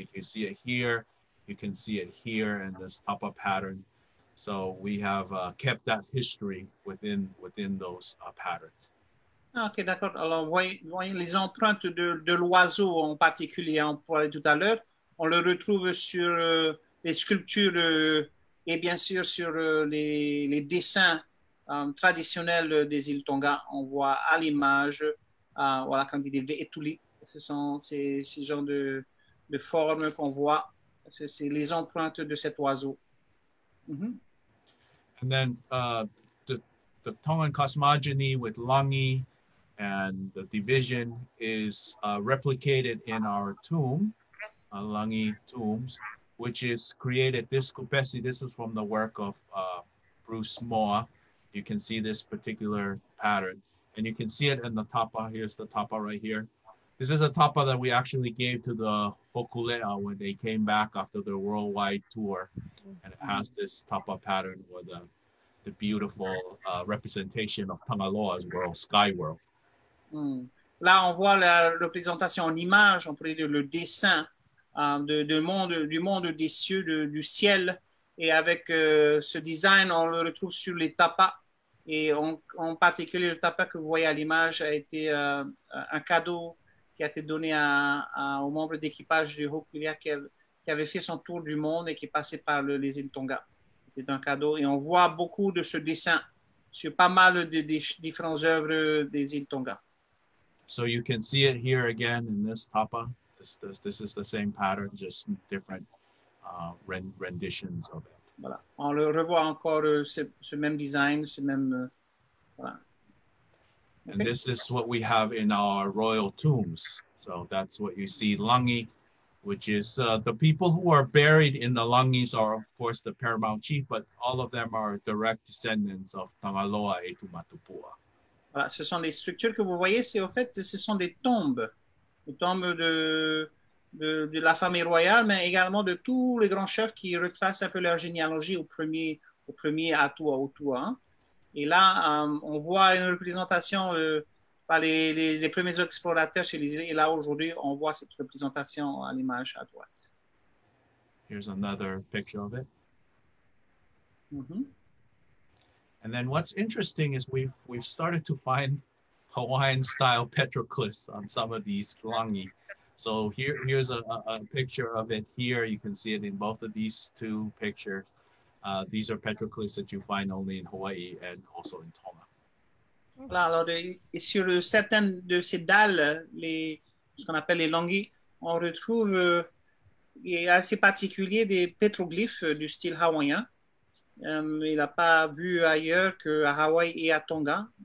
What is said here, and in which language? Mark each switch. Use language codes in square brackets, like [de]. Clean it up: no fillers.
[en] You can see it here, you can see it here in this tapa pattern. So we have kept that history within those patterns. [fr] Ok, d'accord. Alors, voyez les empreintes de l'oiseau en particulier, on parlait tout à l'heure, on le retrouve sur les sculptures et bien sûr sur les dessins traditionnels des îles Tonga. On voit à l'image. Voilà, quand il dit Ve'etuli, ce sont ces genres de formes qu'on voit, c'est les empreintes de cet oiseau. Mm-hmm. [en] And then the Tongan cosmogony with Langi and the division is replicated in our tomb, Langi tombs, which is created, this Kupesi, this is from the work of Bruce Moa. You can see this particular pattern. And you can see it in the tapa. Here's the tapa right here. This is a tapa that we actually gave to the Hikuleʻo when they came back after their worldwide tour. And it has this tapa pattern with the beautiful representation of Tangaloa's world, sky world. Mm. [fr] Là, on voit la représentation en image, on pourrait dire le dessin du monde des cieux, du ciel. Et avec ce design, on le retrouve sur les tapas. Et en particulier, le tapa que vous voyez à l'image a été un cadeau qui a été donné aux membres d'équipage du Hokulia qui avait fait son tour du monde et qui passait par les îles Tonga. C'est un cadeau. Et on voit beaucoup de ce dessin sur pas mal de différentes œuvres des îles Tonga. [en] So you can see it here again in this tapa. This is the same pattern, just different renditions of it. [fr] Voilà. On le revoit encore ce même design, ce même. Voilà. [en] And okay. This is what we have in our royal tombs. So that's what you see, Langi, which is the people who are buried in the Langis are, of course, the paramount chief, but all of them are direct descendants of Tangaloa et Tumatupua. [fr] Voilà, ce sont les structures que vous voyez, c'est au fait, ce sont des tombes. Les tombes de la famille royale, mais également de tous les grands chefs qui retracent un peu leur généalogie au premier atua, atua. Et là, on voit une représentation par les premiers explorateurs sur les îles. Et là, aujourd'hui, on voit cette représentation à l'image à droite. [en] Here's another picture of it. Mm-hmm. And then what's interesting is we've started to find Hawaiian-style petroglyphs on some of these langi. So here's a picture of it here. You can see it in both of these two pictures. These are petroglyphs that you find only in Hawaii and also in Tonga. [fr] Voilà, alors sur certaines de ces dalles, ce qu'on appelle les langis, on retrouve assez particulier des pétroglyphes du style hawaïen. Il n'a pas vu ailleurs qu'à Hawaï et à Tonga.